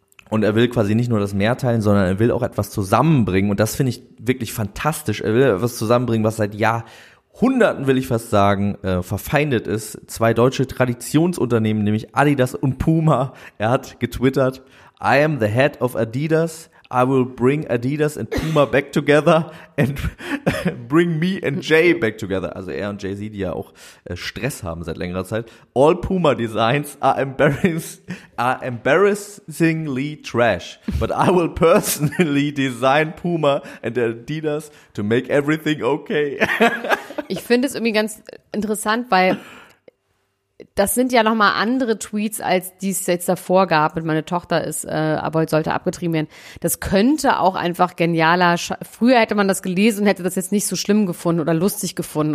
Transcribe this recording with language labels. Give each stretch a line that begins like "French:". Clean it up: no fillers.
German: Und er will quasi nicht nur das Meer teilen, sondern er will auch etwas zusammenbringen. Und das finde ich wirklich fantastisch. Er will etwas zusammenbringen, was seit Jahrhunderten, will ich fast sagen, verfeindet ist. Zwei deutsche Traditionsunternehmen, nämlich Adidas und Puma. Er hat getwittert,
English: I am the head of Adidas. I will bring Adidas and Puma back together and bring me and Jay back together.
German: Also er und Jay-Z, die ja auch Stress haben seit längerer Zeit.
English: All Puma designs are embarrassingly trash, but I will personally design Puma and Adidas to make everything okay.
German: Ich finde es irgendwie ganz interessant, weil das sind ja nochmal andere Tweets, als die es jetzt davor gab, mit meine Tochter ist, aber heute sollte abgetrieben werden. Das könnte auch einfach genialer, früher hätte man das gelesen und hätte das jetzt nicht so schlimm gefunden oder lustig gefunden.